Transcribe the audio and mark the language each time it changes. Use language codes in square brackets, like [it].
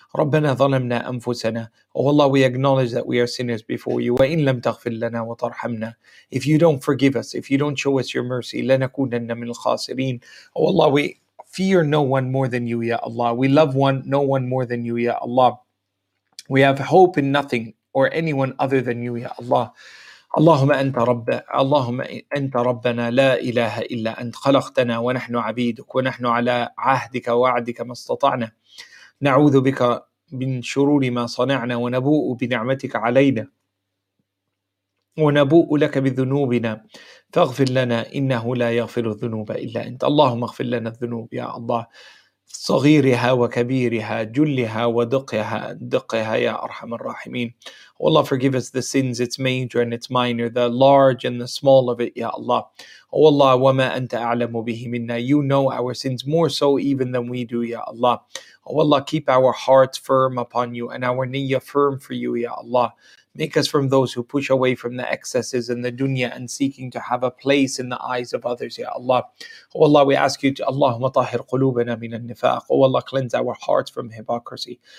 [ar] Rabbana zalamna anfusana. [en] Oh Allah, we acknowledge that we are sinners before you. [ar] Wa in lam taghfir lana wa tarhamna. [en] If you don't forgive us, if you don't show us your mercy, [ar] lanakunanna min al-khasirin. [en] Oh Allah, we fear no one more than you, Ya Allah. We love one, no one more than you, Ya Allah. We have hope in nothing or anyone other than you, Ya Allah. [ar] اللهم أنت رب اللهم أنت ربنا لا إله إلا أنت خلقتنا ونحن عبيدك ونحن على عهدك ووعدك ما استطعنا نعوذ بك من شرور ما صنعنا ونبوء بنعمتك علينا ونبوء لك بذنوبنا فاغفر لنا إنه لا يغفر الذنوب إلا أنت اللهم اغفر لنا الذنوب يا الله صغيرها وكبيرها جلها ودقها دقها يا أرحم الراحمين. [en] Allah, forgive us the sins, its major and its minor, the large and the small of it, Ya Allah. [ar] Allah, وَمَا أَنْتَ أَعْلَمُ بِهِ مِنَّا. [en] You know our sins more so even than we do, Ya Allah. Oh Allah, keep our hearts firm upon you and our niyyah firm for you, Ya Allah. Make us from those who push away from the excesses in the dunya and seeking to have a place in the eyes of others, Ya Allah. Oh Allah, we ask you to, [ar] Allahumma tahir qulubana min al-nifaq. [en] Oh Allah, cleanse our hearts from hypocrisy.